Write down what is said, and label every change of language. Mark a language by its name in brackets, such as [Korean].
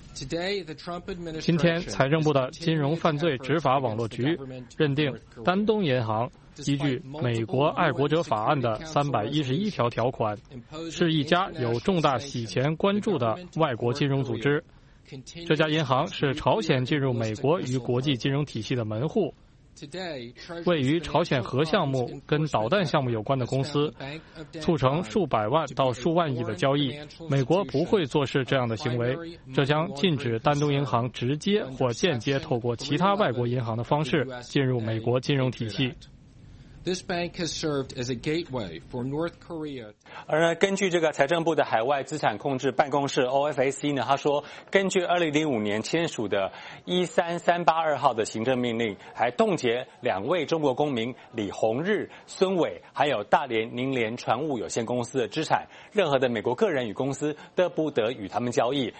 [Chinese] 今天财政部的金融犯罪执法网络局认定丹东银行依据美国爱国者法案的311条条款，是一家有重大洗钱关注的外国金融组织，这家银行是朝鲜进入美国与国际金融体系的门户，位于朝鲜核项目跟导弹项目有关的公司促成数百万到数万亿的交易。美国不会做事这样的行为，这将禁止丹东银行直接或间接透过其他外国银行的方式进入美国金融体系。 [English] This bank has served as a gateway for North Korea. [Chinese] 而呢，根据这个财政部的海外资产控制办公室 OFAC 呢，他说，根据2005年签署的13382号的行政命令，还冻结两位中国公民李洪日、孙伟，还有大连宁联船务有限公司的资产，任何的美国个人与公司都不得与他们交易。